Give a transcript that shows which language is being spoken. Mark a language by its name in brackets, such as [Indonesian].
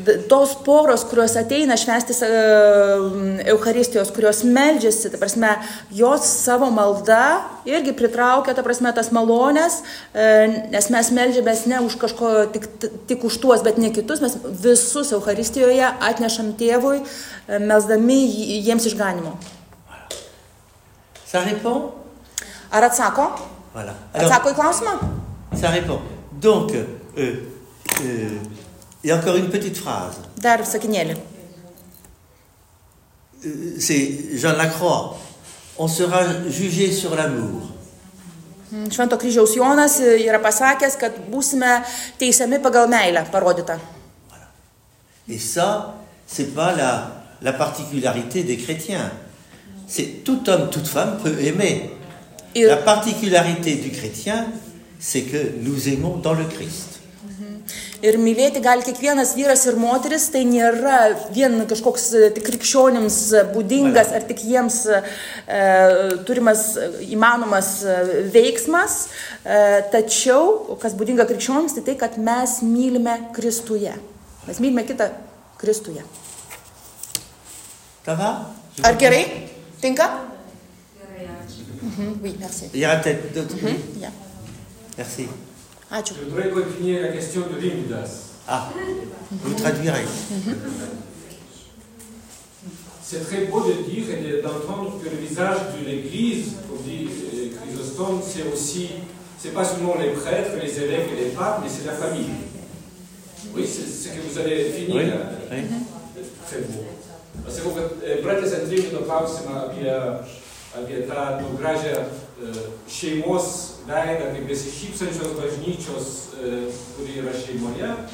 [Lithuanian] tos poros, kurios ateina švęsti Eucharistijos, kurios meldžiasi, ta prasme, jos savo malda irgi pritraukia, ta prasme, tas malonės, nes mes meldžiamės ne už kažko tik už tuos, bet ne kitus, mes visus Eucharistijoje atnešam tėvui, melsdami jiems išganimo. [French] Ça répond? [Lithuanian] Ar atsako? [French] Voilà. Alors, [Lithuanian] atsako į klausimą? [French] Ça répond. Donc, il y a encore une petite phrase. [Lithuanian] Dar sakinėlį. [French] C'est Jean Lacroix. On sera jugé sur l'amour. [Lithuanian] Švento kryžiaus Jonas yra pasakęs, kad būsime teisiami pagal meilę parodytą. [French] Voilà. Et ça, c'est pas la particularité des chrétiens. C'est tout homme, toute femme peut aimer. Ir, la particularité du chrétien, c'est que nous aimons dans le Christ. [Lithuanian] Ir mylėti gali kiekvienas vyras ir moteris, tai nėra vien kažkoks tik krikščionims būdingas ar tik jiems turimas įmanomas veiksmas, tačiau kas būdinga krikščionims, tai tai, kad mes mylime Kristuje. Mes mylime kitą Kristuje. [French] Ta va? [Lithuanian] Ar gerai? Tinka? [French] Oui, merci. Il y a peut-être d'autres. Merci. Ah, je voudrais continuer la question de Lindas. Ah, vous traduirez. C'est très beau de dire et d'entendre que le visage de l'Église, comme dit Chrysostome, c'est aussi, c'est pas seulement les prêtres, les évêques et les papes, mais c'est la famille. Oui, c'est ce que vous allez finir. Oui. Là. Oui. Très beau. [Lithuanian] Sakau, kad pratės atrinkino klausimą apie tą gražią šeimos veidą, kaip besišypsančios bažnyčios, kuri yra šeimoje.